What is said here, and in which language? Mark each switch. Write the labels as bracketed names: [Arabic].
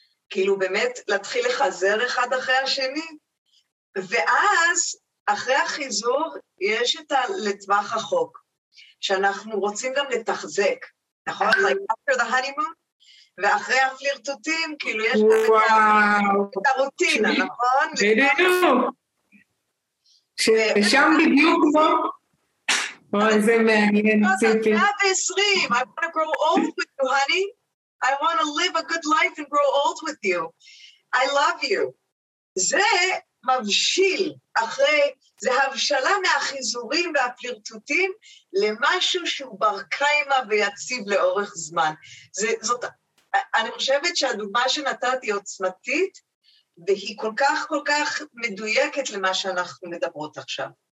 [Hebrew] כאילו באמת להתחיל לחזר אחד אחרי השני, ואז אחרי החיזור יש את לטווח החוק, שאנחנו רוצים גם לתחזק, נכון? [English] Like after the honeymoon, [Hebrew] ואחרי הפלירטוטים, כאילו יש את הרוטינה, נכון? ששם בדיוק פה, אוי, זה מעניין, ציפי. את [English] 120, I want to grow old with you, honey. I want to live a good life and grow old with you. I love you. [Hebrew] זה מבשיל אחרי, זה הבשלה מהחיזורים והפלירטוטים למשהו שהוא בר קיימה ויציב לאורך זמן. אני חושבת שהדוגמה שנתת היא עוצמתית, והיא כל כך כל כך מדויקת למה שאנחנו מדברות עכשיו.